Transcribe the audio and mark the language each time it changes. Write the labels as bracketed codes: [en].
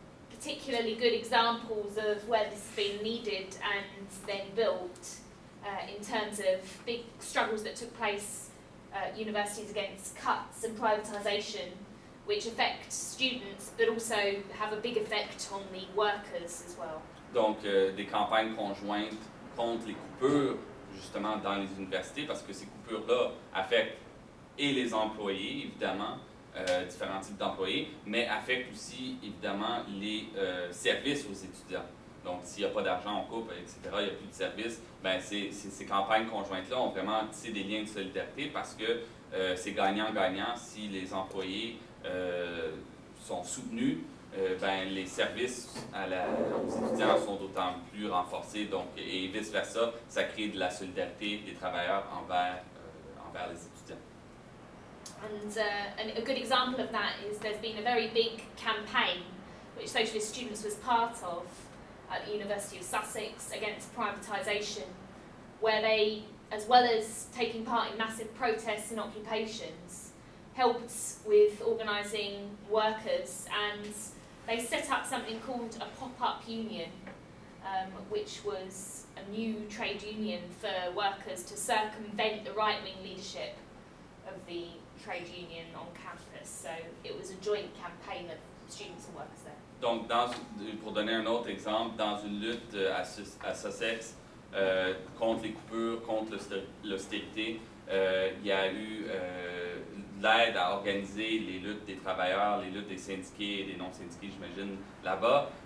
[en] Particularly good examples of where this has been needed and then built in terms of big struggles that took place at universities against cuts and privatisation, which affect students but also have a big effect on the workers as well. [fr] Donc, des campagnes conjointes contre les coupures, justement, dans les universités, parce que ces coupures-là affectent et les employés, évidemment, différents types d'employés, mais affectent aussi, évidemment, les services aux étudiants. Donc, s'il n'y a pas d'argent, on coupe, etc., il n'y a plus de services, bien, ces campagnes conjointes-là ont vraiment tissé des liens de solidarité parce que c'est gagnant-gagnant. Si les employés sont soutenus, bien, les services aux étudiants sont d'autant plus renforcés. Donc, et vice-versa, ça crée de la solidarité des travailleurs envers les étudiants. [en] And a good example of that is there's been a very big campaign which Socialist Students was part of at the University of Sussex against privatisation, where they, as well as taking part in massive protests and occupations, helped with organising workers, and they set up something called a pop-up union, which was a new trade union for workers to circumvent the right-wing leadership of the trade union on campus. So it was a joint campaign of students and workers there. [fr] Donc, dans, pour donner un autre exemple, dans une lutte à Sussex contre les coupures, contre l'austérité, il y a eu l'aide à organiser les luttes des travailleurs, les luttes des syndiqués et des non-syndiqués, j'imagine, là-bas.